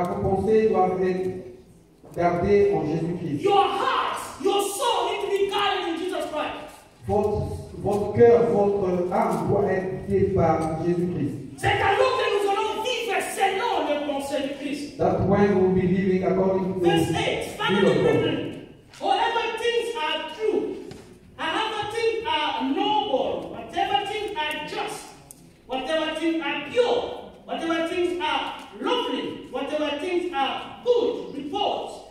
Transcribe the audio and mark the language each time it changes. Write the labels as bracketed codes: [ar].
[fr] Car vos pensées doivent être gardées en Jésus Christ. [en] Your heart, your soul need to be guarded in Jesus Christ. [fr] Votre cœur, votre âme doit être guidée par Jésus Christ. C'est alors que nous allons vivre selon les pensées de Christ. [en] That's when we will be living according to Christ. Verse 8, finally, brethren, whatever things are true, whatever things are noble, whatever things are just, whatever things are pure, whatever things are lovely, whatever things are good, report.